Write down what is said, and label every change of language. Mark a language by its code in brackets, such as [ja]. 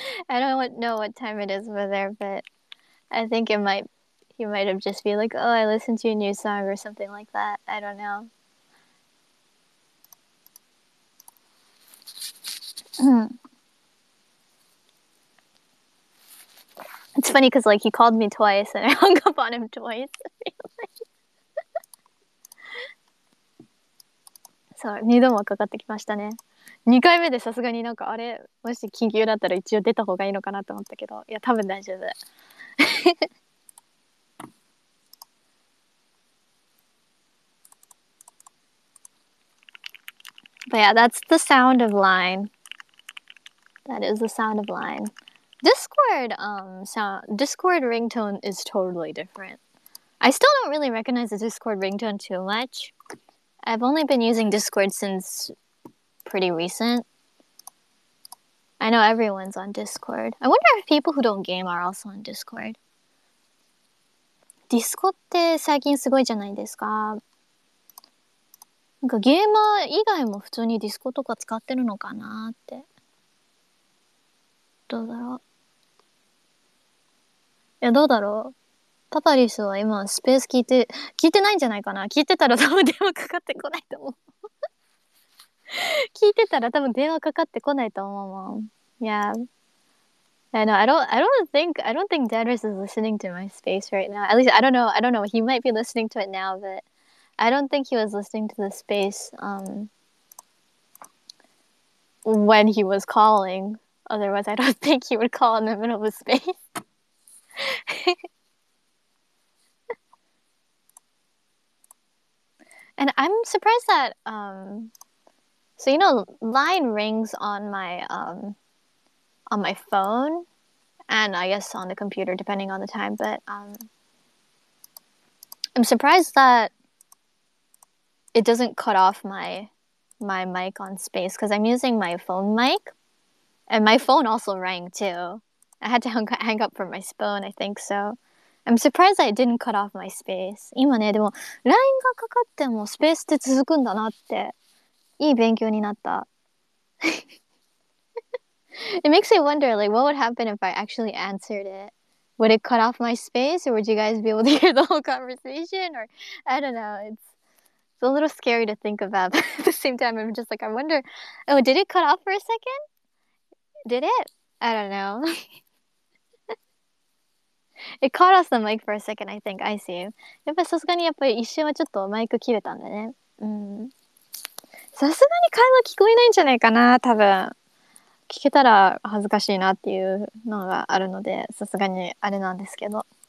[en] I don't know what time it is over there, but,I think he might have just been like, oh, I listened to a new song or something like that. I don't know. It's funny because, like, he called me twice and I hung up on him twice. [ja] そう、二度もかかってきましたね。二回目でさすがになんかあれ、もし緊急だったら一応出た方がいいのかなと思ったけど、いや、多分大丈夫。 [en] But yeah, that's the sound of Line. That is the sound of Line. Discord ringtone is totally different. I still don't really recognize the Discord ringtone too much. I've only been using Discord since pretty recent. I know everyone's on Discord. I wonder if people who don't game are also on Discord. [ja] ディスコって最近すごいじゃないですか。なんかゲーマー以外も普通にディスコとか使ってるのかなって。どうだろう。いや、どうだろう。パパリスは今スペース聞いてないんじゃないかな。聞いてたら多分電話かかってこないと思う。聞いてたら多分電話かかってこないと思うもん。いや。 [en] I don't think Dadris is listening to my space right now. At least I don't know. He might be listening to it now, but I don't think he was listening to the space when he was calling. Otherwise, I don't think he would call in the middle of a space. And I'm surprised that, so you know, Line rings on my phone, and I guess on the computer depending on the time. But I'm surprised that it doesn't cut off my mic on Space, because I'm using my phone mic, and my phone also rang too. I had to hang up from my phone, I think so. I'm surprised I didn't cut off my Space. [ja] 今ね、でも、LINE がかかってもスペースって続くんだなって、いい勉強になった。 [en] It makes me wonder, like, what would happen if I actually answered it? Would it cut off my Space, or would you guys be able to hear the whole conversation? Or, I don't know, it's a little scary to think about, but at the same time, I'm just like, I wonder, oh, did it cut off for a second? Did it? I don't know. It caught us the mic for a second, I think. I see. [ja] やっぱさすがにやっぱり一瞬はちょっとマイク切れたんだね。うん。さすがに会話聞こえないんじゃないかな、多分。聞けたら恥ずかしいなっていうのがあるので、さすがにあれなんですけど。